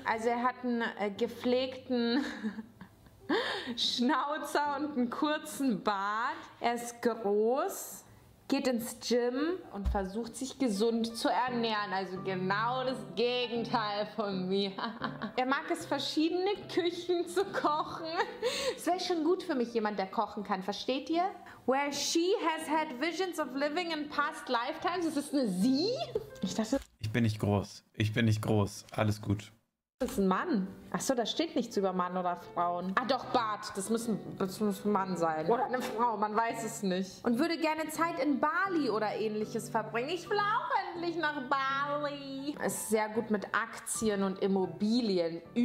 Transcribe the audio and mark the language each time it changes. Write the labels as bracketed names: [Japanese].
[German] Also er hat einen gepflegten Schnauzer und einen kurzen Bart. Er ist groß. Geht ins Gym und versucht sich gesund zu ernähren. Also genau das Gegenteil von mir. Er mag es, verschiedene Küchen zu kochen. Es wäre schon gut für mich, jemand, der kochen kann. Versteht ihr? [English] Where she has had visions of living in past lifetimes. [German] Ist das eine Sie? Ich dachte, ich bin nicht groß. Ich bin nicht groß. Alles gut. Das ist ein Mann. Achso, da steht nichts über Mann oder Frauen. Ah doch, Bart. Das muss ein Mann sein. Oder eine Frau, man weiß es nicht. Und würde gerne Zeit in Bali oder ähnliches verbringen. Ich will auch endlich nach Bali. Ist sehr gut mit Aktien und Immobilien.